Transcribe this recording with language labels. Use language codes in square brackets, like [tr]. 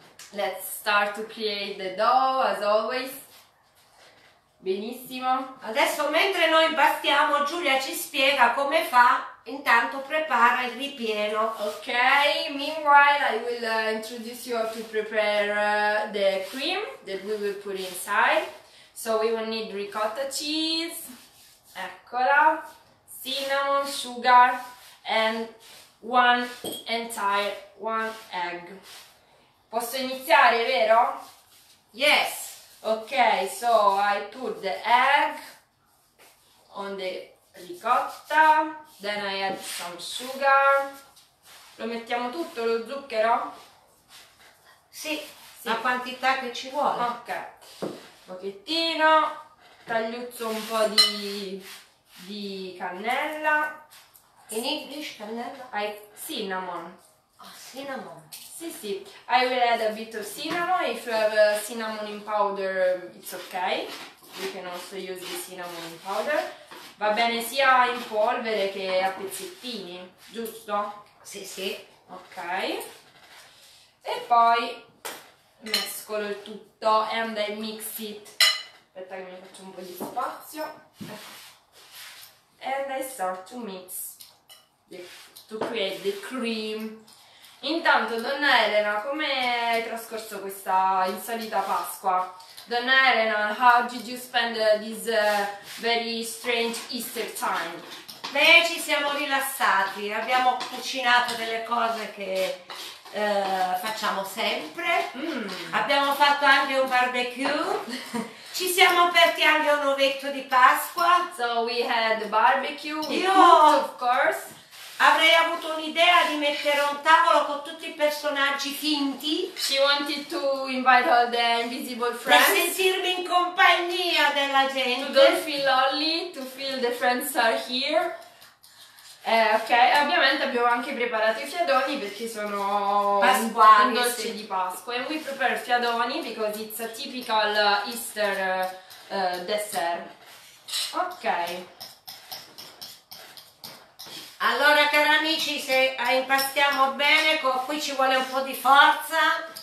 [en] Let's start to create the dough, as always. [it] Benissimo. Adesso, mentre noi impastiamo, Giulia ci spiega come fa. Intanto prepara il ripieno. [en] Ok, meanwhile I will introduce you how to prepare the cream that we will put inside. So we will need ricotta cheese, [it] eccola, [en] cinnamon, sugar and one entire one egg. [it] Posso iniziare, vero? [en] Yes. Ok, so I put the egg on the ricotta, then I add some sugar. [it] Lo mettiamo tutto lo zucchero? Sì, Sì. la quantità che ci vuole. Ok, un pochettino, tagliuzzo un po' di cannella. [en] In English, cannella? Cinnamon. Oh, cinnamon. [it] Sì. [en] I will add a bit of cinnamon. If you have cinnamon in powder, it's okay. You can also use the cinnamon in powder. [it] Va bene sia in polvere che a pezzettini, giusto? Sì. Ok. E poi mescolo il tutto [en] and I mix it. [it] Aspetta che mi faccio un po' di spazio. Ecco. [en] And I start to mix, to create the cream. [it] Intanto, donna Elena, come hai trascorso questa insolita Pasqua? [en] Donna Elena, how did you spend this very strange Easter time? [it] Beh, ci siamo rilassati, abbiamo cucinato delle cose che facciamo sempre, abbiamo fatto anche un barbecue, ci siamo aperti anche un ovetto di Pasqua. [en] So we had barbecue, we cooked, of course. [it] Avrei avuto un'idea di mettere un tavolo con tutti i personaggi finti. [en] She wanted to invite all the invisible friends. [it] Per sentirmi in compagnia della gente. [en] To don't feel lonely, to feel the friends are here. [it] Ok, ovviamente abbiamo anche preparato i fiadoni perché sono pasquali, un dolce sì. Di Pasqua. [en] And we prepare fiadoni because it's a typical Easter dessert. Ok. [it] Allora, cari amici, se impastiamo bene, qui ci vuole un po' di forza.